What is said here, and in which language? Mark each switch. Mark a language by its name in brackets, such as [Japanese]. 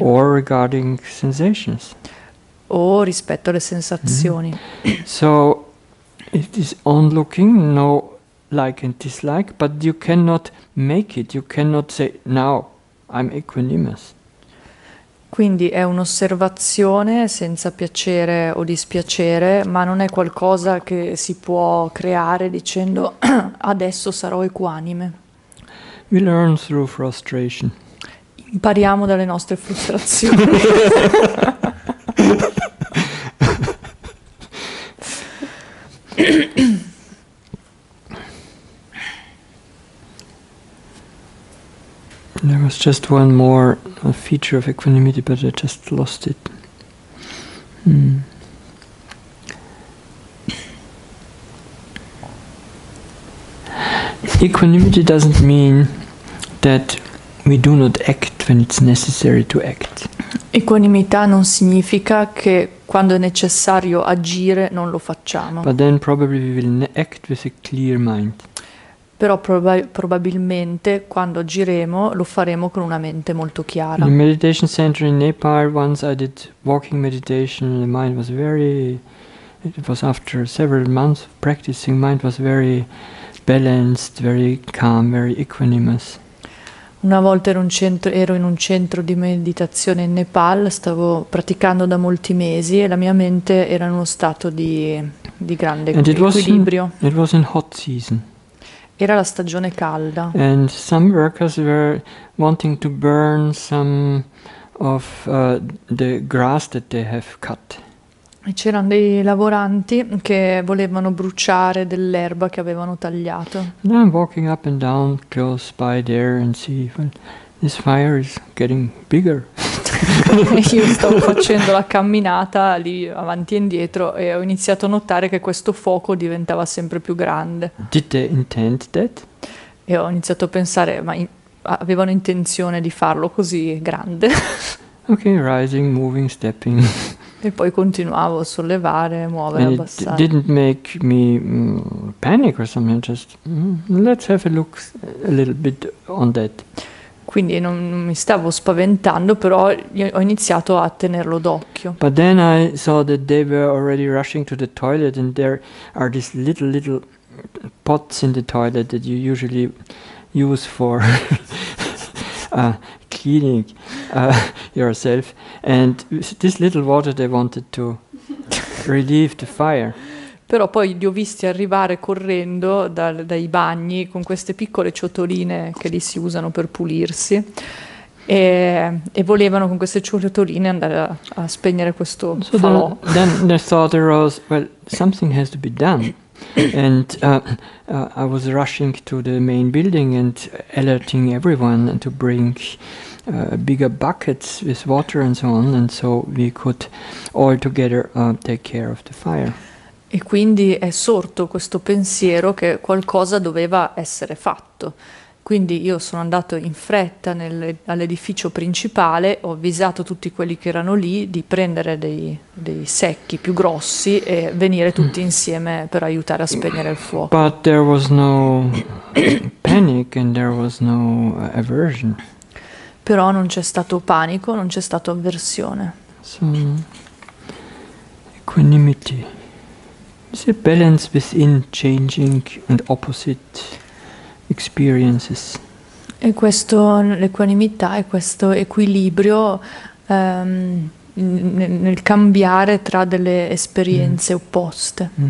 [English] Or regarding sensations. [Italian] O rispetto alle sensazioni. Mm-hmm. [English] So it is on looking, no like and dislike, but you cannot make it, you cannot say now I'm equanimous. [Italian] Quindi è un'osservazione senza piacere o dispiacere, ma non è qualcosa che si può creare dicendo adesso sarò equanime. [English] We learn through frustration. [Italian] Impariamo dalle nostre frustrazioni. [English] There was just one more feature of equanimity, but I just lost it. Equanimity doesn't mean that we do not act when it's necessary to act. [Italian] Equanimità non significa che quando è necessario agire non lo facciamo. [English] But then probably we will act with a clear mind. [Italian] Però probabilmente quando agiremo lo faremo con una mente molto chiara. [English] In meditation center in Nepal once I did walking meditation and the mind was very, it was after several months of practicing, mind was very balanced, very calm, very equanimous. [Italian] Una volta ero in un centro di meditazione in Nepal, stavo praticando da molti mesi e la mia mente era in uno stato di grande equilibrio. [English] It was in hot season. [Italian] Era la stagione calda. [English] And some workers were wanting to burn some of the grass that they have cut. [Italian] E c'erano dei lavoranti che volevano bruciare dell'erba che avevano tagliato. [English] And I'm walking up and down close by there and see if this fire is getting bigger. [Italian] Io stavo facendo la camminata lì avanti e indietro e ho iniziato a notare che questo fuoco diventava sempre più grande. [English] Did they intend that? [Italian] E ho iniziato a pensare, ma avevano intenzione di farlo così grande? [English] Ok, rising, moving, stepping. [Italian] E poi continuavo a sollevare, muovere, [English] and [Italian] abbassare. [English] It didn't make me panic or something, just let's have a look a little bit on that. [Italian] Quindi non mi stavo spaventando, però ho iniziato a tenerlo d'occhio. [English] But then I saw that they were already rushing to the toilet and there are these little pots in the toilet that you usually use for cleaning yourself. And this little water they wanted to relieve the fire. [Italian] Però poi li ho visti arrivare correndo dai bagni con queste piccole ciotoline che lì si usano per pulirsi e volevano con queste ciotoline andare a spegnere questo falò. [English] So then the thought arose, well, something has to be done. And I was rushing to the main building and alerting everyone to bring bigger buckets with water and so on, and so we could all together take care of the fire. [Italian] E quindi è sorto questo pensiero che qualcosa doveva essere fatto. Quindi io sono andato in fretta all'edificio principale, ho avvisato tutti quelli che erano lì di prendere dei secchi più grossi e venire tutti insieme per aiutare a spegnere il fuoco. [English] But there was no panic and there was no aversion. [Italian] Però non c'è stato panico, non c'è stato avversione. [English] So, equanimity. It's a balance within changing and opposite experiences. [Italian] E questo, l'equanimità, è questo equilibrio nel cambiare tra delle esperienze opposte.